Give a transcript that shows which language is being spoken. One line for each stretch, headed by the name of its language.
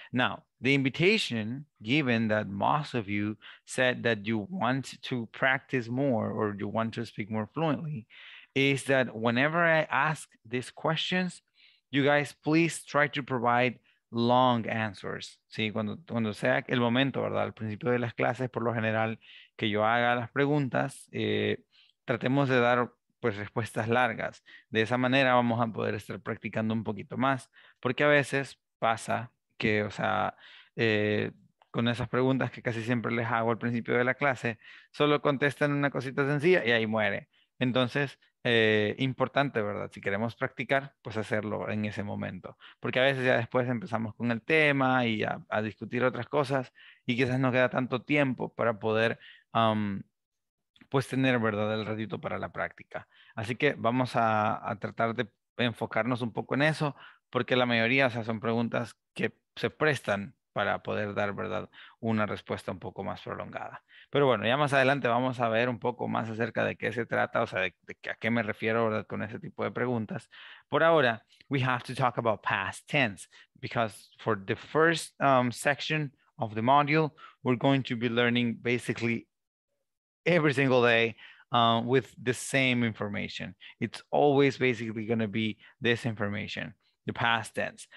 English: Now, the invitation, given that most of you said that you want to practice more or you want to speak more fluently, is that whenever I ask these questions, you guys, please try to provide long answers.
Spanish: Sí, cuando sea el momento, ¿verdad? Al principio de las clases, por lo general, que yo haga las preguntas, tratemos de dar pues respuestas largas. De esa manera vamos a poder estar practicando un poquito más, porque a veces pasa que, o sea, con esas preguntas que casi siempre les hago al principio de la clase, solo contestan una cosita sencilla y ahí muere. Entonces, importante, ¿verdad? Si queremos practicar, pues hacerlo en ese momento, porque a veces ya después empezamos con el tema y a discutir otras cosas y quizás no queda tanto tiempo para poder pues tener, ¿verdad?, el ratito para la práctica. Así que vamos a tratar de enfocarnos un poco en eso, porque la mayoría, o sea, son preguntas que se prestan para poder dar, ¿verdad?, una respuesta un poco más prolongada. Pero bueno, ya más adelante vamos a ver un poco más acerca de qué se trata, o sea, a qué me refiero, ¿verdad?, con ese tipo de preguntas. Por ahora,
English: we have to talk about past tense, because for the first section of the module, we're going to be learning basically every single day with the same information. It's always basically going to be this information, the past tense.